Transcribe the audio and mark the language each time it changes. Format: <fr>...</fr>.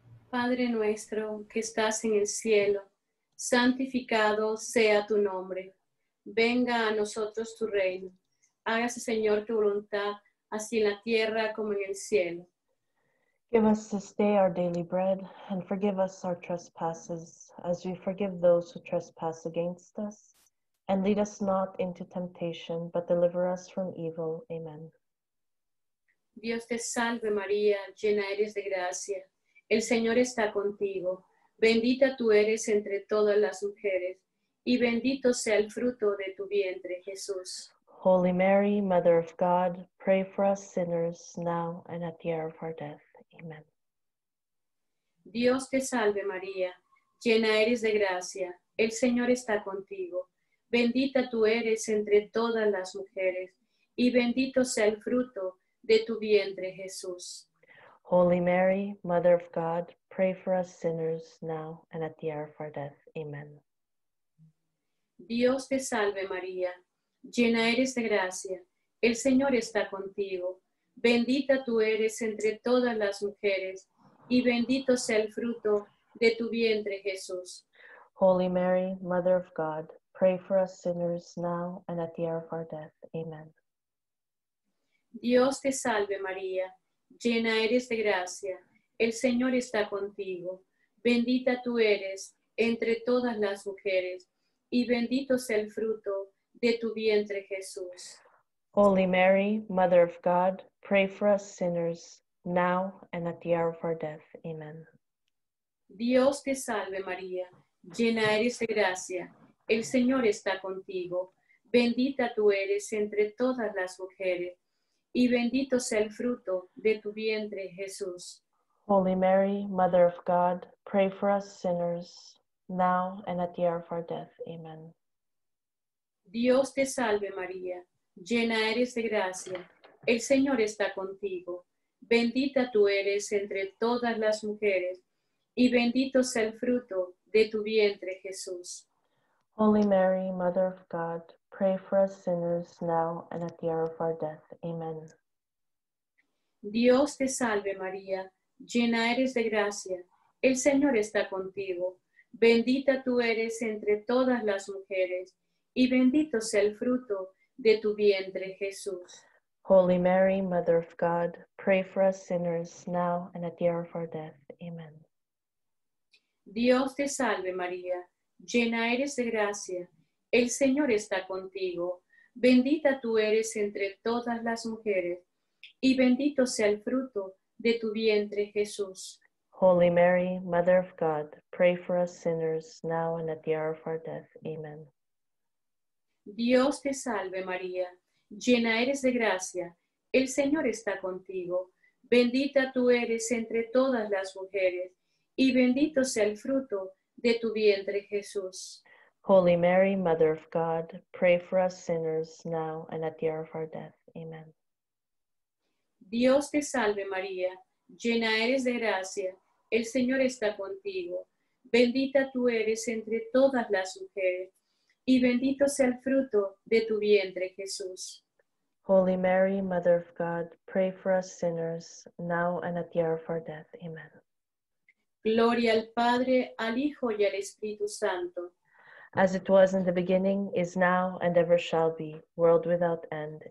<es>Padre nuestro que estás en el cielo, santificado sea tu nombre. Venga a nosotros tu reino. Hágase, Señor, tu voluntad, así en la tierra como en el cielo.</es> <en>Give us this day our daily bread, and forgive us our trespasses, as we forgive those who trespass against us. And lead us not into temptation, but deliver us from evil. Amen.</en> <es>Dios te salve, María, llena eres de gracia. El Señor está contigo. Bendita tú eres entre todas las mujeres, y bendito sea el fruto de tu vientre, Jesús.</es> <en>Holy Mary, Mother of God, pray for us sinners, now and at the hour of our death. Amen.</en> <es>Dios te salve, María, llena eres de gracia. El Señor está contigo. Bendita tú eres entre todas las mujeres, y bendito sea el fruto de tu vientre, Jesús.</es> <en>Holy Mary, Mother of God, pray for us sinners now and at the hour of our death. Amen.</en> <es>Dios te salve María, llena eres de gracia, el Señor está contigo. Bendita tú eres entre todas las mujeres, y bendito sea el fruto de tu vientre, Jesús.</es> <en>Holy Mary, Mother of God, pray for us sinners now and at the hour of our death. Amen.</en> <es>Dios te salve, María. Llena eres de gracia. El Señor está contigo. Bendita tú eres entre todas las mujeres, y bendito sea el fruto de tu vientre, Jesús.</es> <en>Holy Mary, Mother of God, pray for us sinners, now and at the hour of our death. Amen.</en> <es>Dios te salve, María. Llena eres de gracia. El Señor está contigo. Bendita tú eres entre todas las mujeres, y bendito sea el fruto de tu vientre, Jesús.</es> <en>Holy Mary, Mother of God, pray for us sinners, now and at the hour of our death. Amen.</en> <es>Dios te salve, María. Llena eres de gracia, el Señor está contigo. Bendita tú eres entre todas las mujeres, y bendito sea el fruto de tu vientre, Jesús.</es> <en>Holy Mary, Mother of God, pray for us sinners now and at the hour of our death. Amen.</en> <es>Dios te salve, María. Llena eres de gracia. El Señor está contigo. Bendita tú eres entre todas las mujeres, y bendito sea el fruto de tu vientre, Jesús.</es> <en>Holy Mary, Mother of God, pray for us sinners now and at the hour of our death. Amen.</en> <es>Dios te salve, María. Llena eres de gracia. El Señor está contigo. Bendita tú eres entre todas las mujeres, y bendito sea el fruto de tu vientre, Jesús.</es> <en>Holy Mary, Mother of God, pray for us sinners now and at the hour of our death. Amen.</en> <es>Dios te salve, María. Llena eres de gracia. El Señor está contigo. Bendita tú eres entre todas las mujeres, y bendito sea el fruto de tu vientre, Jesús.</es> <en>Holy Mary, Mother of God, pray for us sinners now and at the hour of our death. Amen.</en> <es>Dios te salve, María. Llena eres de gracia. El Señor está contigo. Bendita tú eres entre todas las mujeres, y bendito sea el fruto de tu vientre, Jesús.</es> <en>Holy Mary, Mother of God, pray for us sinners now and at the hour of our death. Amen.</en> <es>Gloria al Padre, al Hijo y al Espíritu Santo.</es> <en>As it was in the beginning, is now, and ever shall be, world without end.</en>